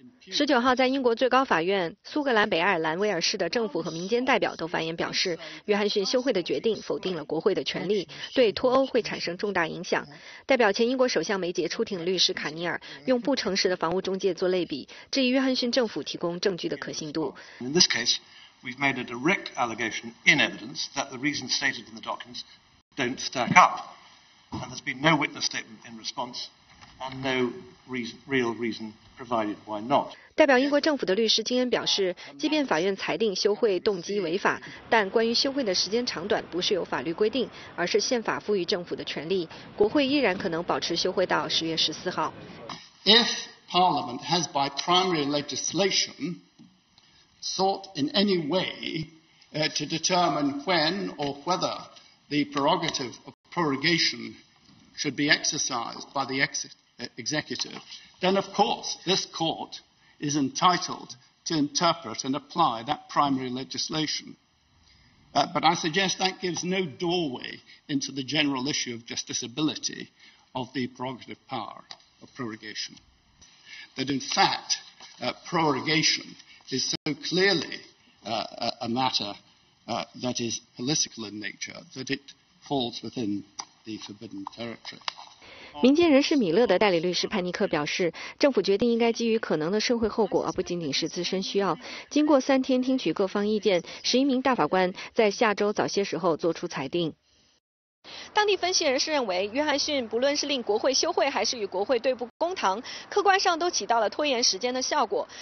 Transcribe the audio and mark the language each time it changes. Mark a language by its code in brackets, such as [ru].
[zh] 19号在英国最高法院，苏格兰、北爱尔兰、威尔士的政府和民间代表都发言表示，约翰逊休会的决定否定了国会的权力，对脱欧会产生重大影响。代表前英国首相梅杰出庭的律师卡尼尔用不诚实的房屋中介做类比，质疑约翰逊政府提供证据的可信度。 [en] In this case, we've made a direct allegation in evidence that the reasons stated in the documents don't stack up, and there's been no witness statement in response, and no real reason. [zh] 代表英国政府的律师金恩表示，即便法院裁定休会动机违法，但关于休会的时间长短不是由法律规定，而是宪法赋予政府的权利，国会依然可能保持休会到10月14号。 [en] If Parliament has by primary legislation sought in any way to determine when or whether the prerogative of prorogation should be exercised by the executive,then of course this court is entitled to interpret and apply that primary legislation. But I suggest that gives no doorway into the general issue of justiciability of the prerogative power of prorogation. That in fact, prorogation is so clearly a matter that is political in nature that it falls within the forbidden territory. [zh] 民间人士米勒的代理律师潘尼克表示，政府决定应该基于可能的社会后果，而不仅仅是自身需要。经过三天听取各方意见，11名大法官在下周早些时候作出裁定。当地分析人士认为，约翰逊不论是令国会休会，还是与国会对簿公堂，客观上都起到了拖延时间的效果。